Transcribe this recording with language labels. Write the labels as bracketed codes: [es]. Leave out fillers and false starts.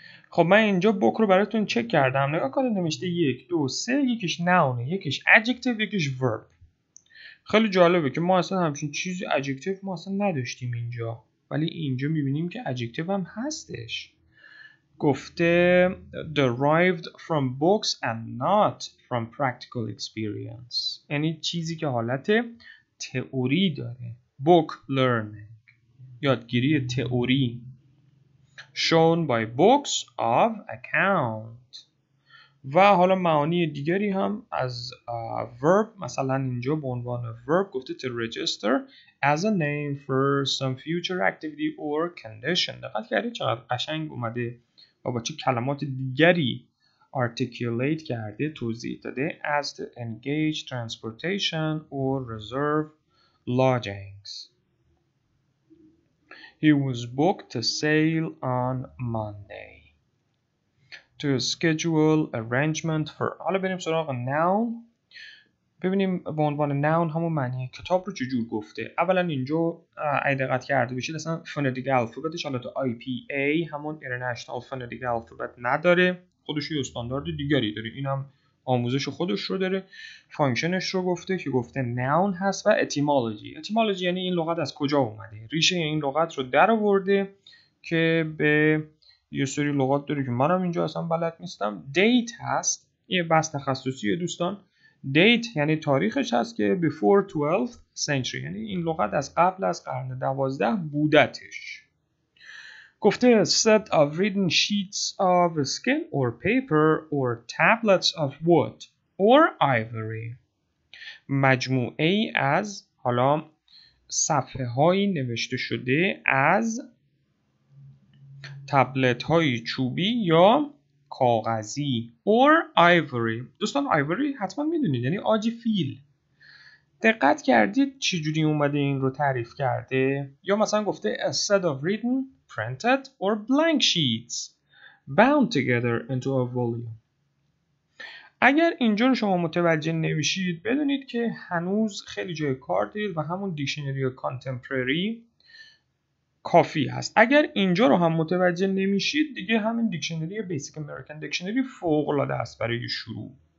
[fa] خب من اینجا بک رو براتون چک کردم، نگاه کنید نمیشته 1 2 3، یکیش نونه، یکیش ادجکتیو، یکیش ورب. خیلی جالبه که ما اصلا همچین چیزی ادجکتیو ما اصلا نداشتیم اینجا، ولی اینجا میبینیم که ادجکتیو هم هستش. گفته [en] derived from books and not from practical experience، [fa] یعنی چیزی که حالت تئوری داره. [en] book learning [fa] یادگیری تئوری. [en] shown by books of account. [fa] و حالا معانی دیگری هم از [en] verb، [fa] مثلا اینجا به عنوان [en] verb گفته to register as a name for some future activity or condition. [fa] دقت کردی چقدر قشنگ اومده و با چه کلمات دیگری articulate کرده، توضیح داده [en] as to engage transportation or reserve lodgings. He was booked to sail on Monday. To schedule arrangement for. [fa] حالا بریم سراغ noun. ببینیم به عنوان noun همون معنی کتاب رو چجور گفته. اولا اینجا اگه دقت کرده باشید اصلا فونتیک الفابتش حالت IPA همون International Phonetic Alphabet نداره. خودش یه استاندارد دیگری داره. اینم آموزش خودش رو داره. فانکشنش رو گفته که گفته noun هست و etymology. Etymology یعنی این لغت از کجا اومده. ریشه این لغت رو درآورده که به یه سری لغات داره که منم اینجا اصلا بلد نیستم. Date هست. یه بحث تخصصیه دوستان. Date یعنی تاریخش هست که before 12th century. یعنی این لغت از قبل از قرن 12 بودتش. [en] گفته set of written sheets of skin or paper or tablets of wood or ivory. [fa] مجموعه از حالا صفحه های نوشته شده از تبلت های چوبی یا کاغذی [en] or ivory. [fa] دوستان ivory حتما میدونید یعنی آج فیل. دقت کردید چجوری اومده این رو تعریف کرده؟ یا مثلا گفته [en] a set of written, printed or blank sheets bound together into a volume. [fa] اگر اینجا رو شما متوجه نمیشید بدونید که هنوز خیلی جای کار دارید و همون دیکشنری کانتمپرری کافی هست. اگر اینجا رو هم متوجه نمیشید دیگه همین دیکشنری بیسیک امریکن دیکشنری فوق‌العاده است برای شروع.